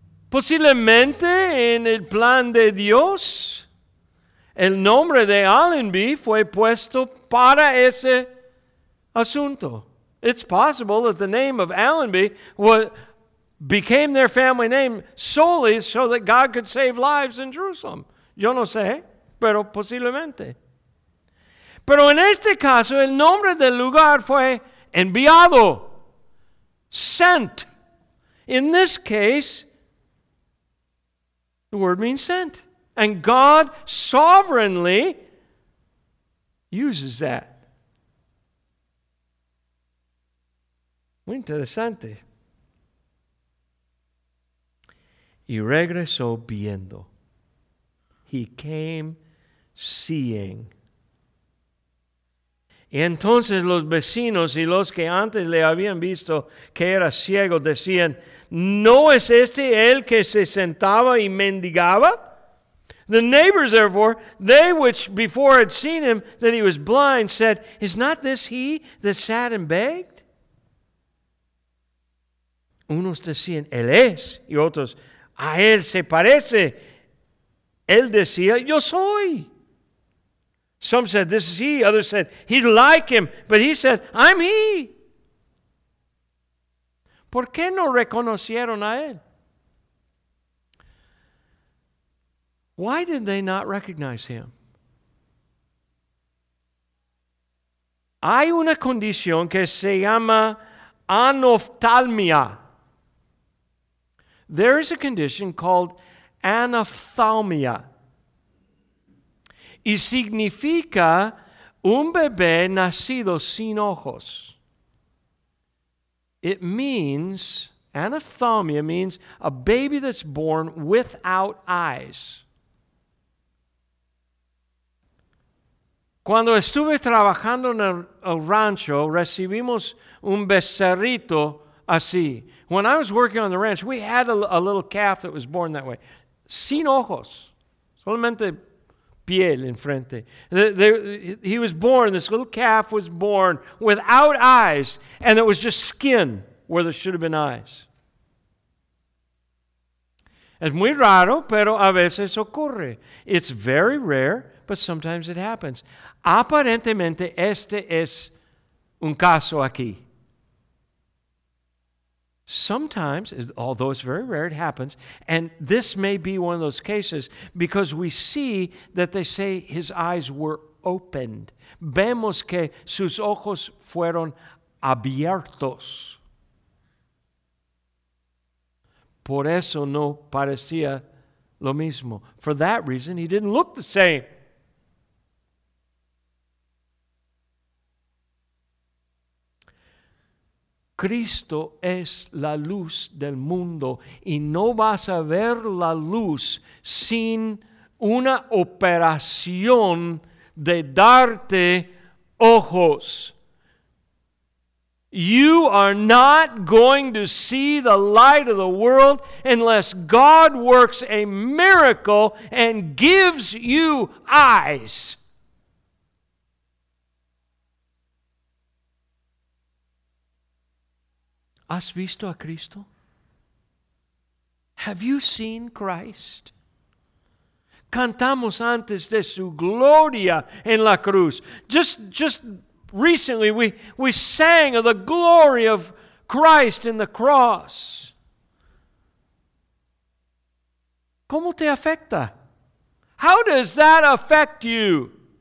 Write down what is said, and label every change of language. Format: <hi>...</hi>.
<es>Posiblemente en el plan de Dios, el nombre de Allenby fue puesto para ese asunto.</es> <en>It's possible that the name of Allenby became their family name solely so that God could save lives in Jerusalem.</en> <es>Yo no sé, pero posiblemente. Pero en este caso, el nombre del lugar fue enviado, sent.</es> <en>In this case, the word means sent. And God sovereignly uses that.</en> <es>Muy interesante. Y regresó viendo.</es> <en>He came seeing.</en> <es>Y entonces los vecinos y los que antes le habían visto que era ciego decían, ¿no es este el que se sentaba y mendigaba?</es> <en>The neighbors, therefore, they which before had seen him, that he was blind, said, is not this he that sat and begged?</en> <es>Unos decían, él es, y otros, a él se parece. Él decía, yo soy.</es> <en>Some said, this is he. Others said, he's like him. But he said, I'm he.</en> <es>¿Por qué no reconocieron a él?</es> <en>Why did they not recognize him?</en> <es>Hay una condición que se llama anophthalmia.</es> <en>There is a condition called anophthalmia.</en> <es>Y significa un bebé nacido sin ojos.</es> <en>It means, anophthalmia means a baby that's born without eyes.</en> <es>Cuando estuve trabajando en el rancho, recibimos un becerrito así.</es> <en>When I was working on the ranch, we had a little calf that was born that way.</en> <es>Sin ojos. Solamente piel en frente.</es> <en>He was born, this little calf was born without eyes, and it was just skin where there should have been eyes.</en> <es>Es muy raro, pero a veces ocurre.</es> <en>It's very rare, but sometimes it happens.</en> <es>Aparentemente, este es un caso aquí.</es> <en>Sometimes, although it's very rare, it happens. And this may be one of those cases because we see that they say his eyes were opened.</en> <es>Vemos que sus ojos fueron abiertos. Por eso no parecía lo mismo.</es> <en>For that reason, he didn't look the same.</en> <es>Cristo es la luz del mundo y no vas a ver la luz sin una operación de darte ojos.</es> <en>You are not going to see the light of the world unless God works a miracle and gives you eyes.</en> <es>¿Has visto a Cristo?</es> <en>Have you seen Christ?</en> <es>Cantamos antes de su gloria en la cruz.</es> <en>Just recently we sang of the glory of Christ in the cross.</en> <es>¿Cómo te afecta?</es> <en>How does that affect you?</en>